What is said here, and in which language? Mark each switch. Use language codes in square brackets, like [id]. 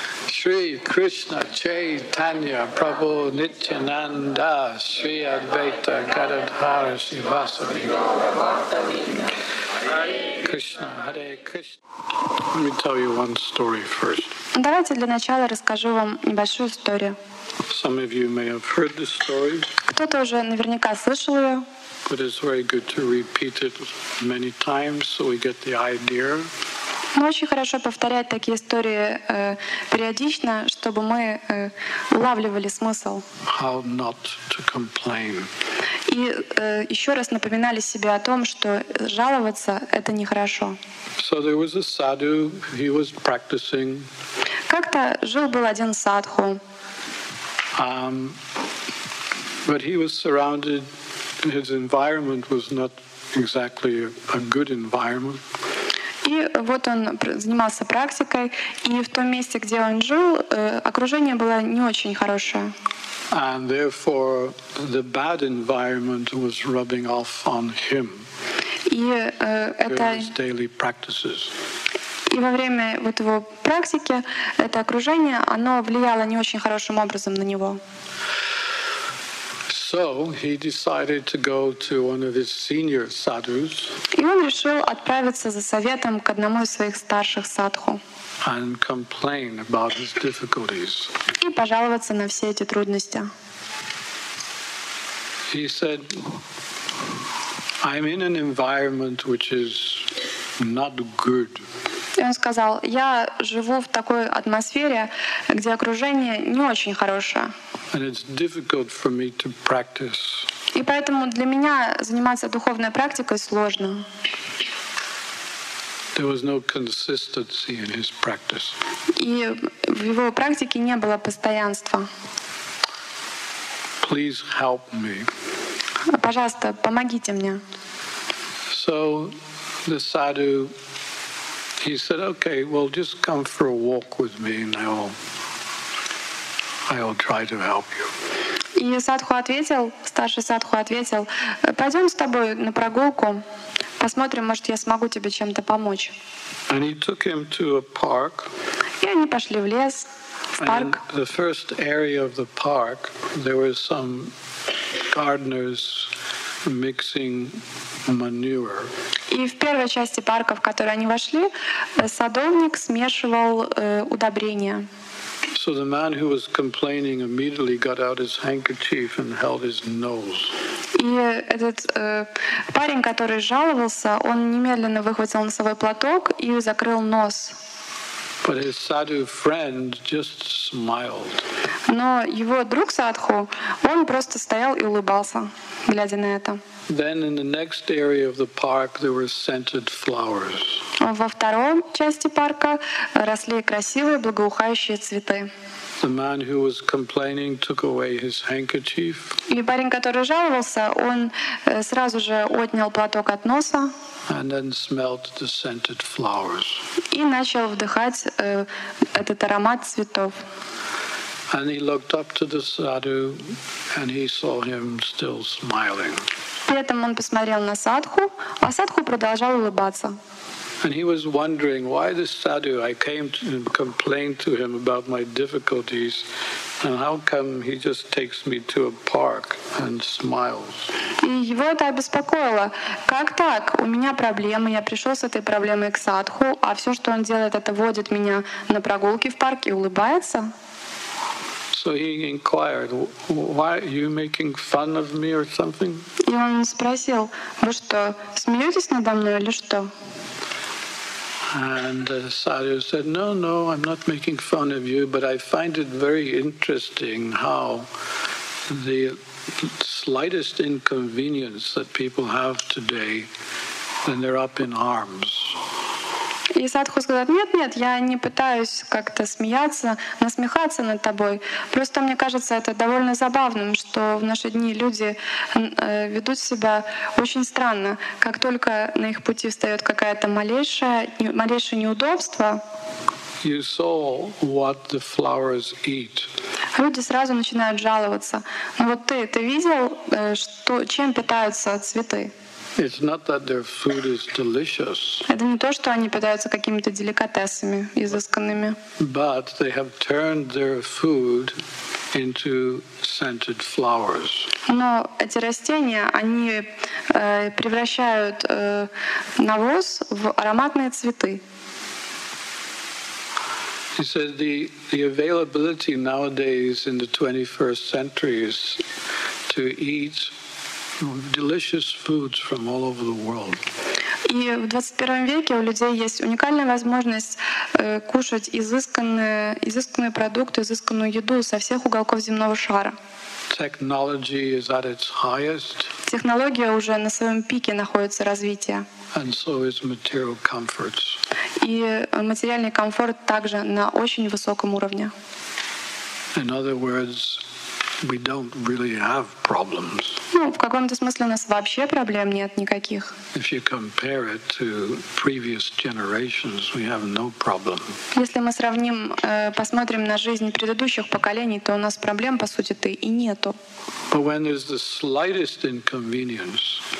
[sa] Shri Krishna Chaitanya Prabhu Nityananda Shri Advaita Gadadhara Srivastava Krishna Hare Krishna. [en] Let me tell you one story first. [ru] Давайте для начала расскажу вам небольшую историю. [en] Some of you may have heard this story. [ru] Кто-то уже наверняка слышал ее. [en] But it's very good to repeat it many times so we get the idea. [ru] Но очень хорошо повторять такие истории периодично, чтобы мы улавливали смысл. [en] How not to complain. [ru] И еще раз напоминали себе о том, что жаловаться — это нехорошо. [en] So there was a sadhu, he was practicing. [ru] Как-то жил-был один садху. [en] But he was surrounded, his environment was not exactly a good environment. [ru] И вот он занимался практикой, и в том месте, где он жил, окружение было не очень хорошее. [en] And therefore the bad environment was rubbing off on him. [ru] И это [en] his daily practices. [ru] И во время вот его практики это окружение, оно влияло не очень хорошим образом на него. [en] So he decided to go to one of his senior sadhus. [ru] И он решил отправиться за советом к одному из своих старших садху. [en] And complain about his difficulties. [ru] И пожаловаться на все эти трудности. [en] He said, "I'm in an environment which is not good." [ru] И он сказал: "Я живу в такой атмосфере, где окружение не очень хорошее." [en] And it's difficult for me to practice. [ru] И поэтому для меня заниматься духовной практикой сложно. [en] There was no consistency in his practice. [ru] И в его практике не было постоянства. [en] Please help me. [ru] Пожалуйста, помогите мне. [en] So the sadhu, he said, "Okay, well, just come for a walk with me, and I'll try to help you." [ru] И садху ответил, старший садху ответил: "Пойдем с тобой на прогулку, посмотрим, может, я смогу тебе чем-то помочь." [en] And he took him to a park. [ru] И они пошли в лес, в парк. [en] And the first area of the park, there were some gardeners mixing manure. [ru] И в первой части парка, в которую они вошли, садовник смешивал удобрения. [en] So the man who was complaining immediately got out his handkerchief and held his nose. [ru] И этот парень, который жаловался, он немедленно выхватил носовой платок и закрыл нос. [en] But his sadhu friend just smiled. [ru] Но его друг садху, он просто стоял и улыбался, глядя на это. [en] Then in the next area of the park there were scented flowers. [ru] Во второй части парка росли красивые благоухающие цветы. [en] The man who was complaining took away his handkerchief. [ru] И парень, который жаловался, он сразу же отнял платок от носа. [en] And then smelled the scented flowers. [ru] И начал вдыхать этот аромат цветов. [en] And he looked up to the sadhu, and he saw him still smiling. [ru] При этом он посмотрел на садху, а садху продолжал улыбаться. [en] And he was wondering why this sadhu, I came to him, complained to him about my difficulties, and how come he just takes me to a park and smiles. [ru] И его это обеспокоило. Как так? У меня проблемы, я пришел с этой проблемой к садху, а все, что он делает, это водит меня на прогулки в парк и улыбается. [en] So he inquired, "Why are you making fun of me or something?" [ru] И он спросил, вы что, смеетесь надо мной или что? [en] And the sadhu said, "No, no, I'm not making fun of you, but I find it very interesting how the slightest inconvenience that people have today, then they're up in arms." [ru] И садху сказал, нет, я не пытаюсь как-то смеяться, насмехаться над тобой. Просто мне кажется, это довольно забавным, что в наши дни люди ведут себя очень странно. Как только на их пути встает какое-то малейшее неудобство, [en] you saw what the flowers eat. [ru] Люди сразу начинают жаловаться. Но вот ты видел, чем питаются цветы? [en] It's not that their food is delicious. [ru] Это не то, что они питаются какими-то деликатесами изысканными. [en] But they have turned their food into scented flowers. [ru] Но эти растения, они превращают навоз в ароматные цветы. [en] He said the availability nowadays in the 21st century is to eat delicious foods from all over the world. [ru] И в 21 веке у людей есть уникальная возможность кушать изысканные продукты, изысканную еду со всех уголков земного шара. [en] Technology is at its highest. [ru] Технология уже на своем пике находится развития. [en] And so is material comforts. [ru] И материальный комфорт также на очень высоком уровне. [en] In other words, we don't really have problems. [ru] Ну, в каком-то смысле у нас вообще проблем нет никаких. [en] If you compare it to previous generations, we have no problem. [ru] Если мы сравним, посмотрим на жизнь предыдущих поколений, то у нас проблем, по сути-то, и нету. [en] But when there's the slightest inconvenience,